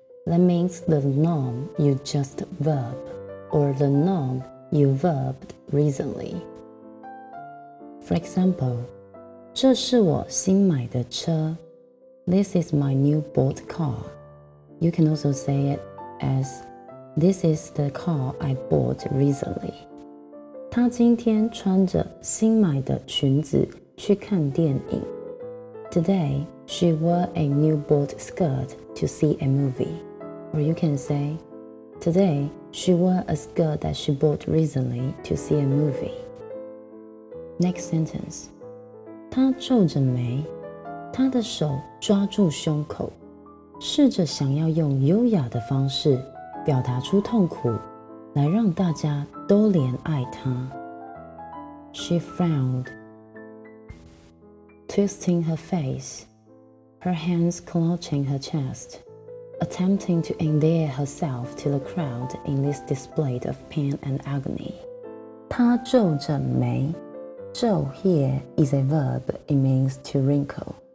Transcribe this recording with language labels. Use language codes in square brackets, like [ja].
[en] That means the noun you just verb, or the noun you verbed recently. For example, [zh] 这是我新买的车。 [en] This is my new bought car. You can also say it as, this is the car I bought recently. [zh] 她今天穿着新买的裙子去看电影。 [en] Today, she wore a new bought skirt to see a movie. Or you can say, Today, she wore a skirt that she bought recently to see a movie. Next sentence. [zh] 她皱着眉, 他的手抓住胸口，试着想要用优雅的方式表达出痛苦，来让大家都怜爱他。 [en] She frowned, twisting her face, her hands clutching her chest, attempting to endear herself to the crowd in this display of pain and agony. [zh] 她皱着眉。 [en] 皱 here is a verb, it means to wrinkle.